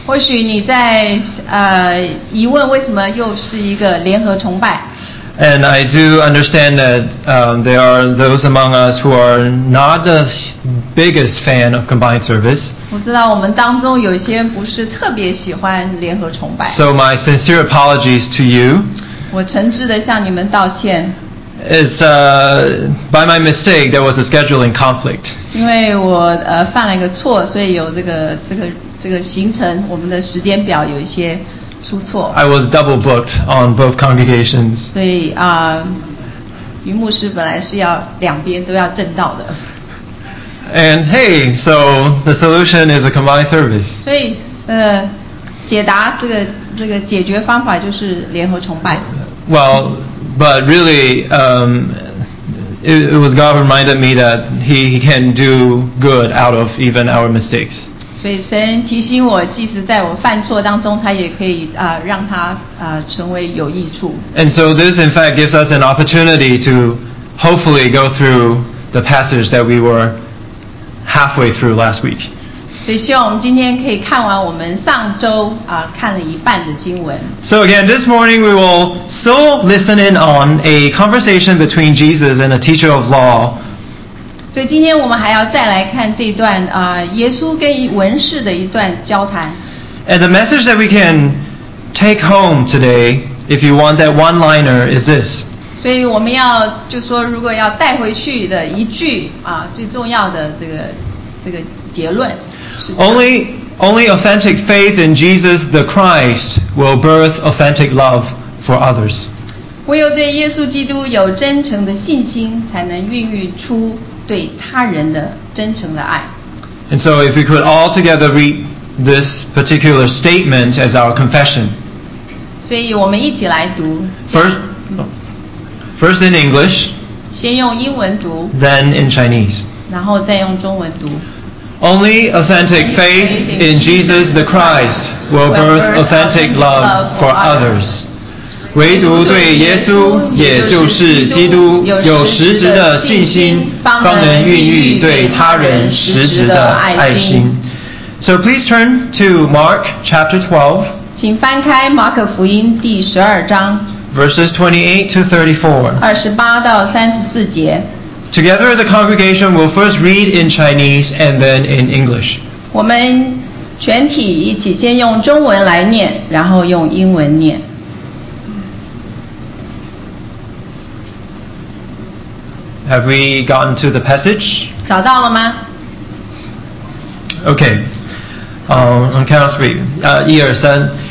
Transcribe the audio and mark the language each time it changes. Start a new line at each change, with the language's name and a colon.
Chinese: 或许你在疑问为什么又是一个联合崇拜。
English: And I do understand that there are those among us who are not the biggest fan of combined service.
Chinese: 我知道我们当中有些不是特别喜欢联合崇拜。
English: So my sincere apologies to you.
Chinese: 我诚挚地向你们道歉。
English: It's by my mistake there was a scheduling conflict.
Chinese: 因为我犯了一个错，所以有这个行程，我们的时间表有一些。
English: I was double booked on both congregations.
Chinese: 所以余牧师本来是要两边都要正道的。
English: And hey, so the solution is a combined service.
Chinese: 所以解答这个解决方法就是联合崇拜。
English: Well, but really, it was God reminded me that He can do good out of even our mistakes.
Chinese: 所以神提醒我，即使在我犯错当中，他也可以让他成为有益处。
English: And so this, in fact, gives us an opportunity to hopefully go through the passage that we were halfway through last week.
Chinese: 所以希望我们今天可以看完我们上周看了一半的经文。
English: So again, this morning we will still listen in on a conversation between Jesus and a teacher of law.
Chinese: 所以今天我们还要再来看这段耶稣跟文士的一段交谈。
English: And the message that we can take home today, if you want that one-liner, is this.
Chinese: 所以我们要就说，如果要带回去的一句最重要的这个结论是
English: ：Only authentic faith in Jesus the Christ will birth authentic love for others.
Chinese: 唯有对耶稣基督有真诚的信心，才能孕育出。对他人的真诚的爱。
English: And so if we could all together read this particular statement as our confession.
Chinese: 所以我们一起来读。
English: First in English.
Chinese: 先用英文读。
English: Then in Chinese.
Chinese: 然后再用中文读。
English: Only authentic faith in Jesus the Christ will birth authentic love for others.
Chinese: 唯独对耶稣，也就是基督，有实质的信心，方能孕育对他人实质的爱心。
English: So please turn to Mark chapter 12.
Chinese: 请翻开马可福音第十二章。
English: Verses 28 to 34.
Chinese: 28-34节。
English: Together as a congregation, we'll first read in Chinese and then in English.
Chinese: 我们全体一起先用中文来念，然后用英文念。
English: Have we gotten to the passage?
Chinese: 找到了吗?
English: Okay. On count of three.
Chinese: 一二三。